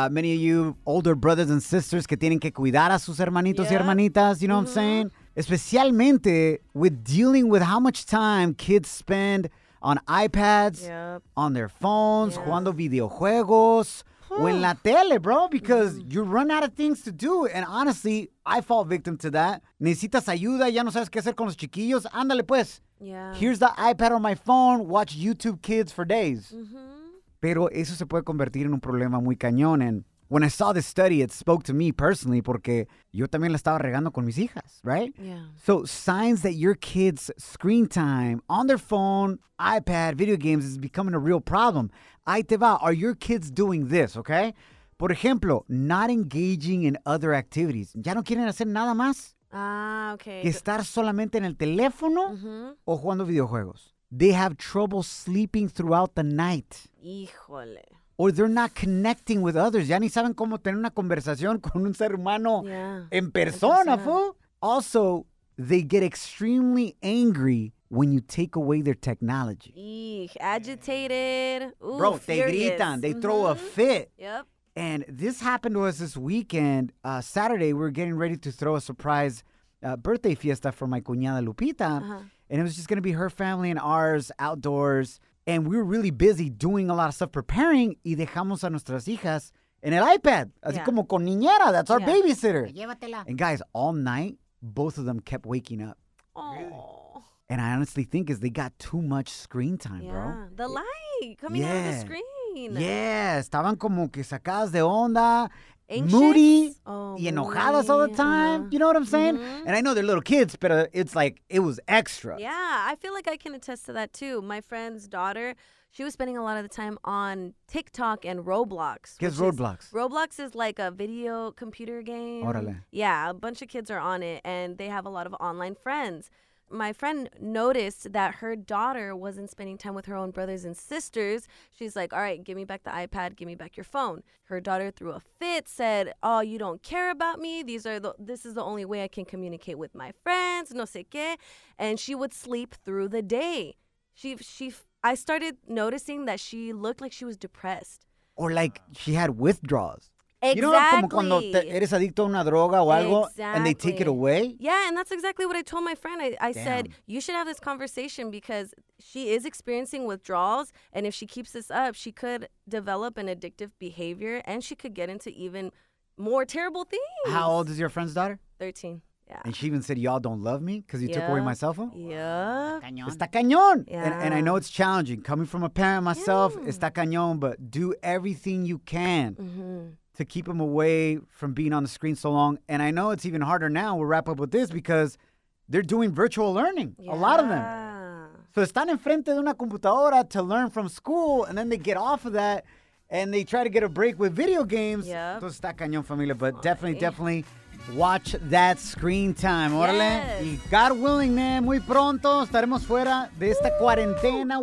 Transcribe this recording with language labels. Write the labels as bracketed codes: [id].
[en] Many of you older brothers and sisters [es] que tienen que cuidar a sus hermanitos y hermanitas, [en] you know what I'm saying? Especialmente with dealing with how much time kids spend on iPads, on their phones, [es] jugando videojuegos, o en la tele, [en] bro, because you run out of things to do. And honestly, I fall victim to that. [es] Necesitas ayuda, ya no sabes qué hacer con los chiquillos, ándale pues. [en] Yeah. Here's the iPad on my phone. Watch YouTube Kids for days. Mm-hmm. [es] Pero eso se puede convertir en un problema muy cañón. [en] And when I saw this study, it spoke to me personally [es] porque yo también la estaba regando con mis hijas, [en] right? Yeah. So signs that your kids' screen time on their phone, iPad, video games is becoming a real problem. [es] Ahí te va. [en] Are your kids doing this, okay? [es] Por ejemplo, [en] not engaging in other activities. [es] ¿Ya no quieren hacer nada más? [en] Okay. [es] Estar solamente en el teléfono o jugando videojuegos. [en] They have trouble sleeping throughout the night. [es] Híjole. [en] Or they're not connecting with others. [es] Ya ni saben cómo tener una conversación con un ser humano en persona, fool. [en] Also, they get extremely angry when you take away their technology. Agitated. Ooh, bro, furious. They gritan. They throw a fit. Yep. And this happened to us this weekend. Saturday, we were getting ready to throw a surprise birthday fiesta for my cuñada Lupita. Uh-huh. And it was just going to be her family and ours outdoors. And we were really busy doing a lot of stuff preparing. [es] Y dejamos a nuestras hijas en el iPad. Así como con niñera. [en] That's our babysitter. [es] Llévatela. [en] And guys, all night, both of them kept waking up. Aww. And I honestly think is they got too much screen time, bro. The light coming out of the screen. mean? Yeah, [es] estaban como que sacadas de onda. [en] Anxious? Moody [es] y enojadas [en] all the time. You know what I'm saying? Mm-hmm. And I know they're little kids, but it's like it was extra. Yeah, I feel like I can attest to that too. My friend's daughter, she was spending a lot of the time on TikTok and Roblox. Guess Roblox. Roblox is like a video computer game. [es] Orale. [en] Yeah, a bunch of kids are on it and they have a lot of online friends. My friend noticed that her daughter wasn't spending time with her own brothers and sisters. She's like, all right, give me back the iPad. Give me back your phone. Her daughter threw a fit, said, oh, you don't care about me. This is the only way I can communicate with my friends. [es] No sé qué. [en] And she would sleep through the day. I started noticing that she looked like she was depressed. Or like she had withdrawals. Exactly. You know, [es] como cuando te eres adicto a una droga o algo, [en] exactly. And they take it away? Yeah, and that's exactly what I told my friend. I said, you should have this conversation because she is experiencing withdrawals. And if she keeps this up, she could develop an addictive behavior and she could get into even more terrible things. How old is your friend's daughter? 13. Yeah. And she even said, y'all don't love me because you took away my cell phone? Yeah. [es] Está cañón. [en] And I know it's challenging. Coming from a parent myself, [es] está cañón, [en] but do everything you can. Mm-hmm. To keep them away from being on the screen so long. And I know it's even harder now. We'll wrap up with this because they're doing virtual learning, a lot of them. So [es] están enfrente de una computadora [en] to learn from school, and then they get off of that, and they try to get a break with video games. Yep. [es] Entonces está cañón, familia. [en] But definitely watch that screen time, órale. Yes. [es] Y [en] God willing, man, [es] muy pronto estaremos fuera de esta cuarentena.